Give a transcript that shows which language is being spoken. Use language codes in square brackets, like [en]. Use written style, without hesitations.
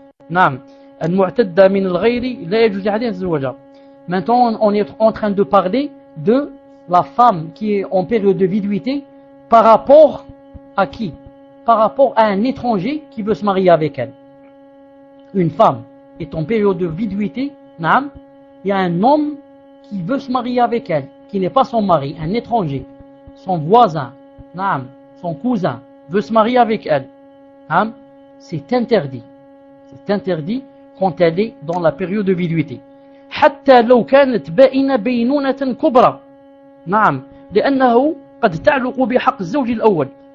[ar] نعم المعتدة من الغير لا يجوز عليها الزواج. [fr] Maintenant on est en train de parler de la femme qui est en période de viduité par rapport à qui? Par rapport à un étranger qui veut se marier avec elle. Une femme est en période de viduité. Non, il y a un homme qui veut se marier avec elle, qui n'est pas son mari, un étranger, son voisin, non, son cousin, veut se marier avec elle. Non, c'est interdit. C'est interdit quand elle est dans la période de viduité. [ar] حتى لو كانت باينة بينونة كبرى. نعم، لأنه قد تعلق بحق الزوج الأول.